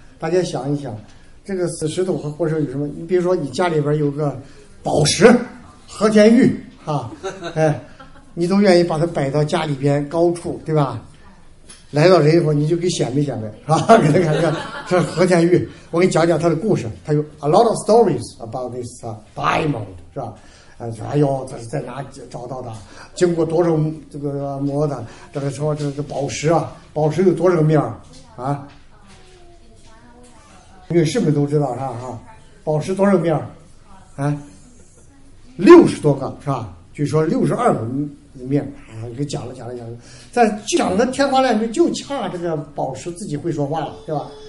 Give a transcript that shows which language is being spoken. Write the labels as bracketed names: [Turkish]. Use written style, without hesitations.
[Chinese] 大家想一想，这个死石头和活石头有什么？你比如说，你家里边有个宝石，和田玉哈、啊，哎，你都愿意把它摆到家里边高处，对吧？来到人以后，你就给显摆显摆，是、啊、吧？给他看看，这是和田玉，我给你讲讲它的故事。它有 [English] a lot of stories about this diamond， [Chinese] 是吧？哎呦，这是在哪找到的？经过多少这个磨的？这个说这宝石啊，宝石有多少面啊？女士们都知道是吧？哈，宝石多少面啊？ 60多个是吧？据说62个面啊，给讲了讲了讲了，在讲的天花乱坠，就恰这个宝石自己会说话了，对吧？